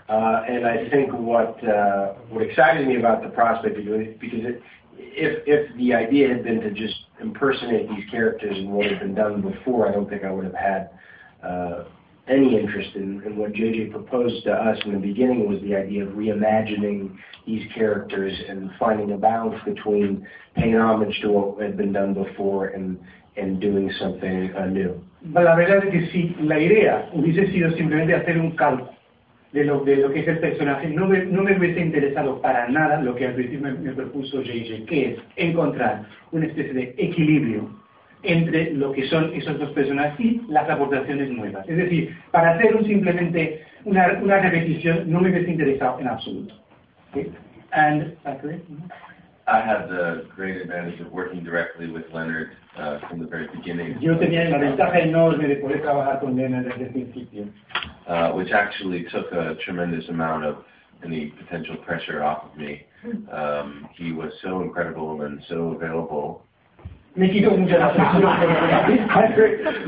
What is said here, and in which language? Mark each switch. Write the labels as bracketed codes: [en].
[en] And I think what excited me about the prospect of doing it, because if the idea had been to just impersonate these characters and what had been done before, I don't think I would have had any interest in what JJ proposed to us in the beginning was the idea of reimagining these characters and finding a balance between paying homage to what had been done before and doing something new. But [es] la verdad es que si la idea hubiese sido simplemente hacer un calco de lo que es el personaje, no me hubiese interesado para nada lo que al principio me propuso JJ, que es encontrar una especie de equilibrio entre lo que son esos dos personajes y las aportaciones nuevas. Es decir, para hacer simplemente una repetición, no me hubiese interesado en absoluto. [en] Okay. And Zachary? I had the great advantage of working directly with Leonard from the very beginning. [es] Yo tenía la ventaja enorme de poder trabajar con Leonard desde el principio. [en] Which actually took a tremendous amount of any potential pressure off of me. He was so incredible and so available. [es] Me quitó mucho la presión.